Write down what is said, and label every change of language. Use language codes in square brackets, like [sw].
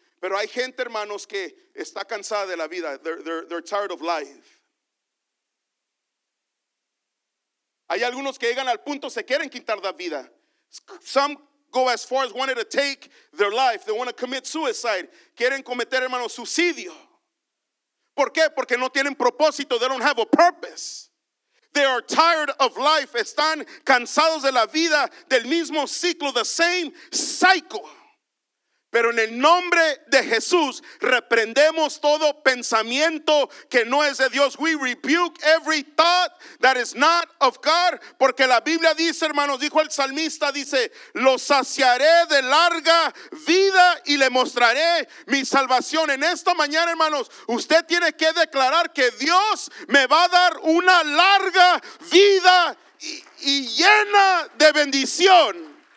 [es] Pero hay gente, hermanos, que está cansada de la vida. [en] They're tired of life. [es] Hay algunos que llegan al punto, se quieren quitar la vida. [en] Some go as far as wanting to take their life. They want to commit suicide. [es] Quieren cometer, hermanos, suicidio. ¿Por qué? Porque no tienen propósito. [en] They don't have a purpose. They are tired of life. [es] Están cansados de la vida, del mismo ciclo, [en] the same cycle. [es] Pero en el nombre de Jesús, reprendemos todo pensamiento que no es de Dios. [en] We rebuke every thought that is not of God. [es] Porque la Biblia dice, hermanos, dijo el salmista, dice, lo saciaré de larga vida y le mostraré mi salvación. En esta mañana, hermanos, usted tiene que declarar que Dios me va a dar una larga vida y llena de bendición.